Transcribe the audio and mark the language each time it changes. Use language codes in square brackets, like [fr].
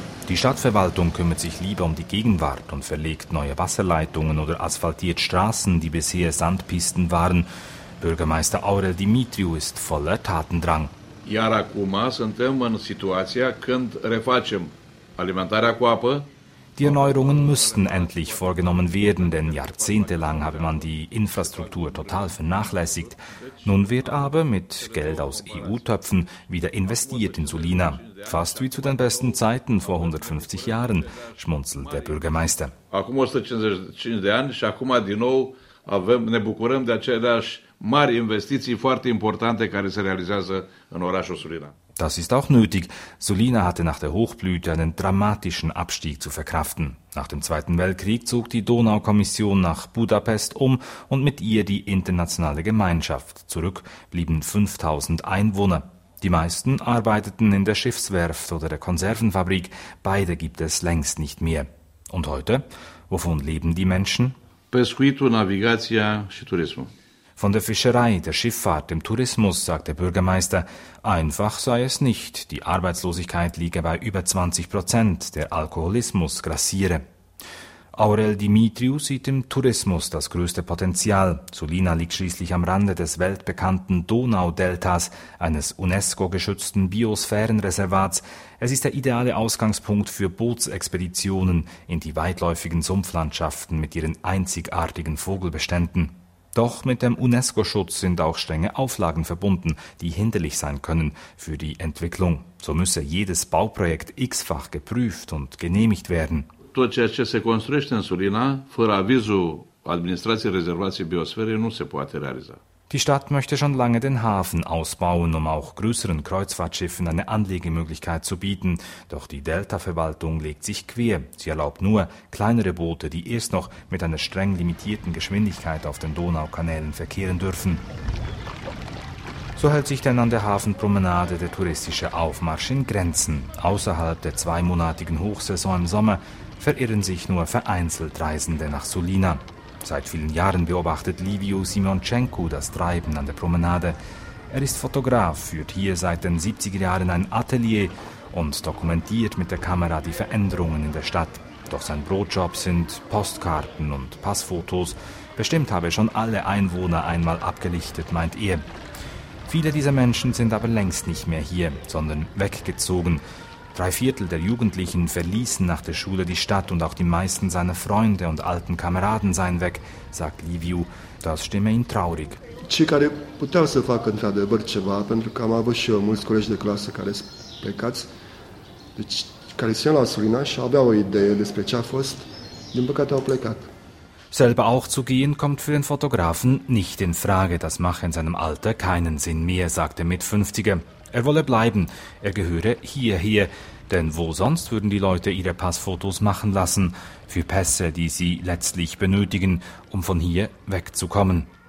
[de] Die Stadtverwaltung kümmert sich lieber um die Gegenwart und verlegt neue Wasserleitungen oder asphaltiert Straßen, die bisher Sandpisten waren. Bürgermeister Aurel Dimitriou ist voller Tatendrang. [ro] Iar acum suntem în situația când refacem alimentarea cu apă. [de] Die Erneuerungen müssten endlich vorgenommen werden, denn jahrzehntelang habe man die Infrastruktur total vernachlässigt. Nun wird aber mit Geld aus EU-Töpfen wieder investiert in Sulina. Fast wie zu den besten Zeiten vor 150 Jahren, schmunzelt der Bürgermeister. [ro] Acum 155 de ani și acum din nou avem, ne bucurăm de aceleași mari investiții foarte importante care se realizează în orașul Sulina. [de] Das ist auch nötig. Sulina hatte nach der Hochblüte einen dramatischen Abstieg zu verkraften. Nach dem Zweiten Weltkrieg zog die Donaukommission nach Budapest um und mit ihr die internationale Gemeinschaft. Zurück blieben 5000 Einwohner. Die meisten arbeiteten in der Schiffswerft oder der Konservenfabrik. Beide gibt es längst nicht mehr. Und heute? Wovon leben die Menschen? [ro] Pescuitul, navigația și turismul. [de] Von der Fischerei, der Schifffahrt, dem Tourismus, sagt der Bürgermeister. Einfach sei es nicht. Die Arbeitslosigkeit liege bei über 20%, der Alkoholismus grassiere. Aurel Dimitriou sieht im Tourismus das größte Potenzial. Sulina liegt schließlich am Rande des weltbekannten Donaudeltas, eines UNESCO-geschützten Biosphärenreservats. Es ist der ideale Ausgangspunkt für Bootsexpeditionen in die weitläufigen Sumpflandschaften mit ihren einzigartigen Vogelbeständen. Doch mit dem UNESCO-Schutz sind auch strenge Auflagen verbunden, die hinderlich sein können für die Entwicklung. So müsse jedes Bauprojekt x-fach geprüft und genehmigt werden. [ro] Tot ceea ce se construiește în Sulina, fără avizul administrației rezervației biosferei, nu se poate realiza. [de] Die Stadt möchte schon lange den Hafen ausbauen, um auch größeren Kreuzfahrtschiffen eine Anlegemöglichkeit zu bieten. Doch die Delta-Verwaltung legt sich quer. Sie erlaubt nur kleinere Boote, die erst noch mit einer streng limitierten Geschwindigkeit auf den Donaukanälen verkehren dürfen. So hält sich denn an der Hafenpromenade der touristische Aufmarsch in Grenzen. Außerhalb der zweimonatigen Hochsaison im Sommer verirren sich nur vereinzelt Reisende nach Sulina. Seit vielen Jahren beobachtet Liviu Simonchenko das Treiben an der Promenade. Er ist Fotograf, führt hier seit den 70er Jahren ein Atelier und dokumentiert mit der Kamera die Veränderungen in der Stadt. Doch sein Brotjob sind Postkarten und Passfotos. Bestimmt habe schon alle Einwohner einmal abgelichtet, meint er. Viele dieser Menschen sind aber längst nicht mehr hier, sondern weggezogen. Drei Viertel der Jugendlichen verließen nach der Schule die Stadt und auch die meisten seiner Freunde und alten Kameraden seien weg, sagt Liviu. Das stimme ihn traurig. [ro] Cei care puteau să facă într-adevăr ceva, pentru că am avut și eu mulți colegi de clasă care sunt plecați, deci care se iau la Sulina și aveau o idee despre ce a fost, din păcate au plecat. [de] Selber auch zu gehen, kommt für den Fotografen nicht in Frage. Das mache in seinem Alter keinen Sinn mehr, sagt der Mitfünfziger. Er wolle bleiben, er gehöre hierher. Denn wo sonst würden die Leute ihre Passfotos machen lassen? Für Pässe, die sie letztlich benötigen, um von hier wegzukommen.